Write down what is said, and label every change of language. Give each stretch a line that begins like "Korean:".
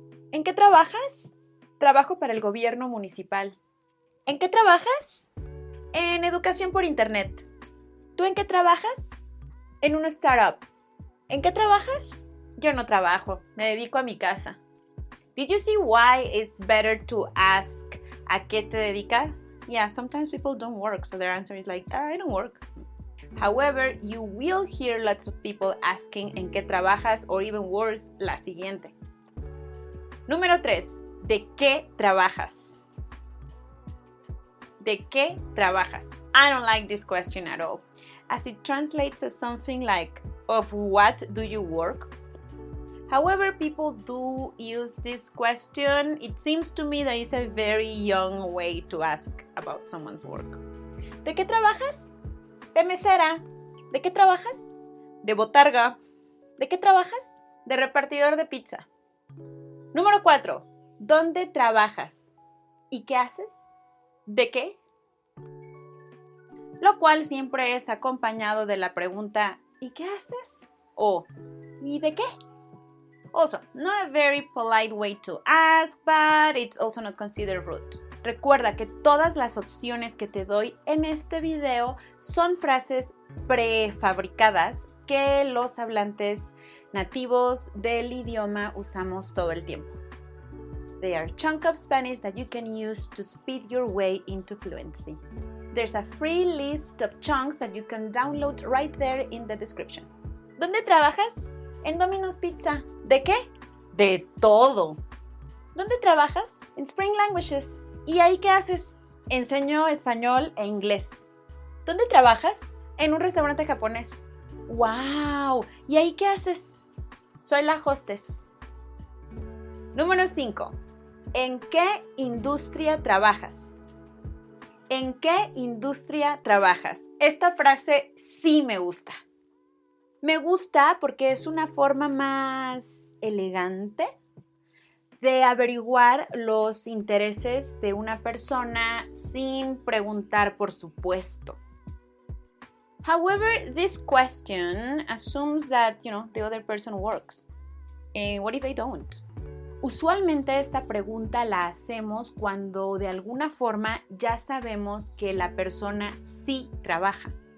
Spanish: ¿En qué trabajas? Trabajo para el gobierno municipal. ¿En qué trabajas? En educación por internet. ¿Tú en qué trabajas? En una startup. ¿En qué trabajas? Yo no trabajo, me dedico a mi casa.
English: Did you see why it's better to ask a
Spanish: qué te dedicas?
English: Yeah, sometimes people don't work, so their answer is like, I don't work. However, you will hear lots of people asking
Spanish: en qué trabajas,
English: or even worse,
Spanish: la siguiente. Número 3. ¿De qué trabajas? ¿De qué trabajas?
English: I don't like this question at all, as it translates as something like, of what do you work? However, people do use this question. It seems to me that it's a very young way to ask about someone's work.
Spanish: ¿De qué trabajas? De mesera. ¿De qué trabajas? De botarga. ¿De qué trabajas? De repartidor de pizza. Número 4. ¿Dónde trabajas? ¿Y qué haces? ¿De qué? Lo cual siempre es acompañado de la pregunta, ¿y qué haces? O, ¿y de qué?
English: Also, not a very polite way to ask, but it's also not considered rude.
Spanish: Recuerda que todas las opciones que te doy en este video son frases prefabricadas que los hablantes nativos del idioma usamos todo el tiempo.
English: They are chunks of Spanish that you can use to speed your way into fluency. There's a free list of chunks that you can download right there in the description.
Spanish: ¿Dónde trabajas? En Domino's Pizza. ¿De qué? De todo. ¿Dónde trabajas? En Spring Languages. ¿Y ahí qué haces? Enseño español e inglés. ¿Dónde trabajas? En un restaurante japonés. ¡Wow! ¿Y ahí qué haces? Soy la hostess. Número 5. ¿En qué industria trabajas? ¿En qué industria trabajas? Esta frase sí me gusta. Me gusta porque es una forma más elegante de averiguar los intereses de una persona sin preguntar por su puesto.
English: However, this question assumes that, you know, the other person works. And what if they don't?
Spanish: Usualmente esta pregunta la hacemos cuando de alguna forma ya sabemos que la persona sí trabaja.